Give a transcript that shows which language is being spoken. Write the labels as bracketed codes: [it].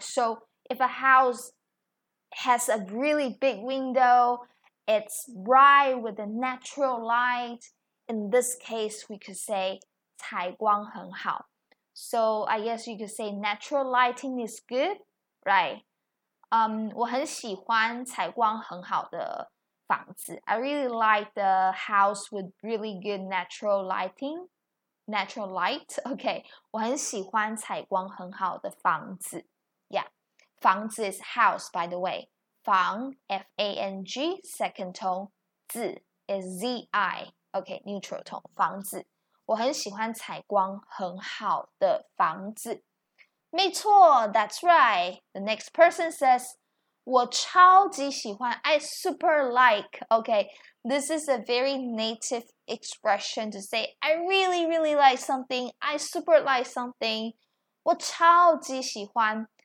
[en] So if a house has a really big window, it's bright with the natural light. In this case, we could say [zh] 采光很好。 [en] So I guess you could say natural lighting is good, right? [zh] 我很喜欢采光很好的房子。 [en] I really like the house with really good natural lighting. Natural light, okay. [zh] 我很喜欢采光很好的房子。 [en] Yeah, 房子 is house, by the way. 房, F-A-N-G, second tone. 字 is Z-I, okay, neutral tone, 房子。 [zh] 我很喜欢采光很好的房子。没错 [en] ,that's right. The next person says, [zh] 我超级喜欢 [en] ,I super like, okay. This is a very native expression to say, I really, really like something, I super like something, [zh] 我超级喜欢。